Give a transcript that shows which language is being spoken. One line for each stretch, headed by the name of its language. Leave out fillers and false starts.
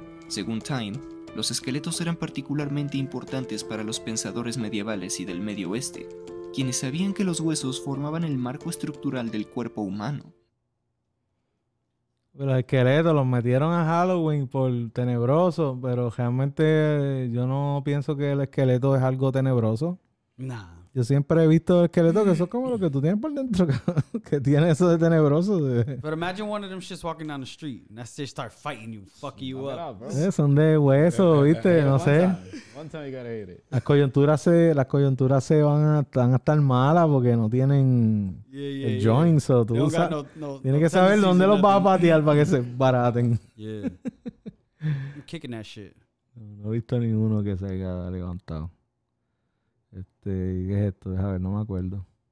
Spanish: Según Time, los esqueletos eran particularmente importantes para los pensadores medievales y del Medio Oeste, quienes sabían que los huesos formaban el marco estructural del cuerpo humano. Los esqueletos los metieron a Halloween por tenebroso, pero realmente yo no pienso que el esqueleto es algo tenebroso. Nah. Yo siempre he visto el esqueleto que eso es como lo que tú tienes por dentro, que tiene eso de tenebroso.
English: But imagine one of them shits walking down the street and that shit start fighting you, fucking you up.
Spanish: Son de hueso, ¿viste? No sé.
English: One time you gotta hit it.
Spanish: Las coyunturas se van a estar malas porque no tienen el joint, so tú usas. Tienes que saber dónde los vas a patear para que se baraten.
English: Yeah. I'm kicking that shit.
Spanish: No he visto ninguno que se haya levantado. ¿Qué es esto? Deja ver, no me acuerdo.